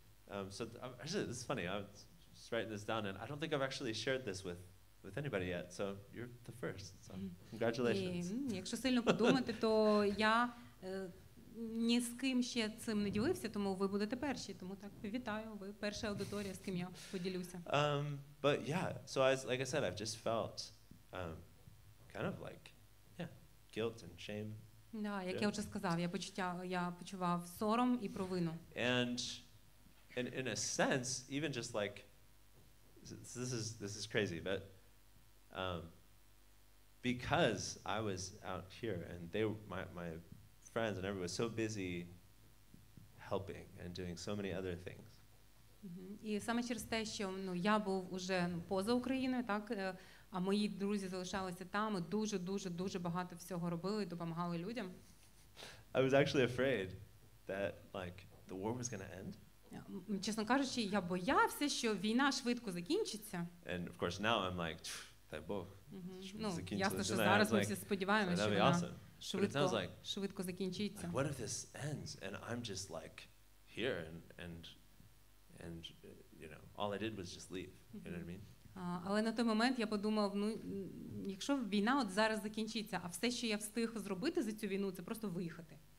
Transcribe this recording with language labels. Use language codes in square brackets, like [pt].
[en] Actually, this is funny. I was writing this down, and I don't think I've actually shared this with anybody yet. So you're the first. So congratulations. [uk] Якщо сильно подумати, то я ні з ким ще цим не ділився, тому ви будете перші. Тому так, вітаю, ви перша аудиторія, з ким я поділюся. [en] But yeah, so I, like I said, I've just felt kind of like guilt and shame. [uk] Да, як я вже сказав, я почував сором і провину. [en] And in a sense, even just like this is crazy, but because I was out here and they my friends and everyone was so busy helping and doing so many other things. [uk] І саме через те, що я був уже поза Україною, так, а мої друзі залишалися там і дуже багато всього робили, допомагали людям. [en] I was actually afraid that like the war was going to end. [uk] Чесно кажучи, я боявся, що війна швидко закінчиться. [en] And of course now I'm like, [uk] дай Бог. Ну, ясно, що зараз ми всі сподіваємося, що вона швидко закінчиться. [en] What if this ends and I'm just like here and you know, all I did was just leave. You know what I mean? [uk] Але на той момент я подумав, ну, якщо війна от зараз закінчиться, а все, що я встиг зробити за цю війну, це просто виїхати.